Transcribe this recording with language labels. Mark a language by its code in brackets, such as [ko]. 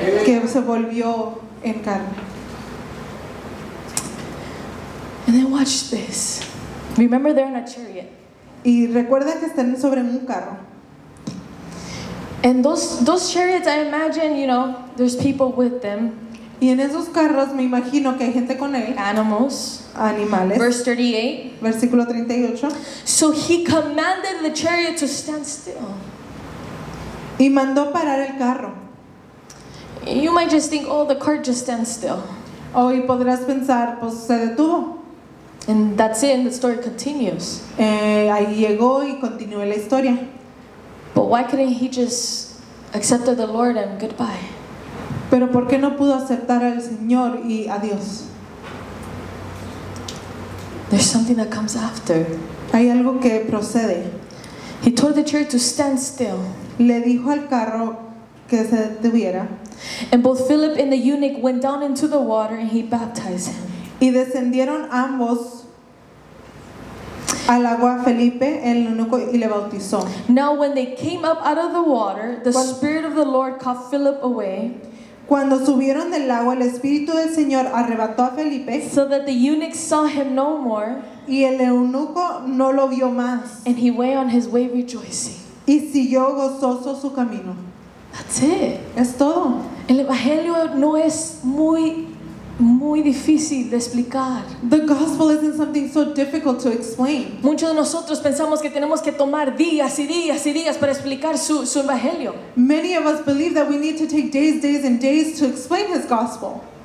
[es] Que se volvió en carne. [en] And then watch this. Remember, they're in a chariot. [es] Y recuerda que están sobre un carro. [en] And those chariots, I imagine, you know, there's people with them. [es] Y en esos carros me imagino que hay gente con él. [en] Animals. [es] Animales. [en] Verse 38. [es] Versículo 38. [en] So he commanded the chariot to stand still. [es] Y mandó parar el carro. [en] You might just think, oh, the cart just stands still. [es] Oh, y podrás pensar, pues se detuvo. [en] And that's it, and the story continues. [es] Ahí llegó y continúa la historia. [en] But why couldn't he just accept the Lord and goodbye? [es] Pero ¿por qué no pudo aceptar al Señor y a Dios? [en] There's something that comes after. [es] Hay algo que procede. [en] He told the chariot to stand still. [es] Le dijo al carro que se detuviera. [en] And both Philip and the eunuch went down into the water and he baptized him. [es] Y descendieron ambos al agua Felipe, el eunuco, y le bautizó. [en] Now when they came up out of the water, the Spirit of the Lord caught Philip away. [es] Cuando subieron del agua, el Espíritu del Señor arrebató a Felipe. [en] So that the eunuch saw him no more. [es] Y el eunuco no lo vio más. [en] And he went on his way rejoicing. [es] Y siguió gozoso su camino. [en] That's it. [es] Es todo. El Evangelio no es muy muy difícil de explicar. [en] The gospel isn't something so difficult to explain. [es] Muchos de nosotros pensamos que tenemos que tomar días y días y días para explicar su evangelio. [en] Many of us believe that we need to take days, days and days to explain his gospel.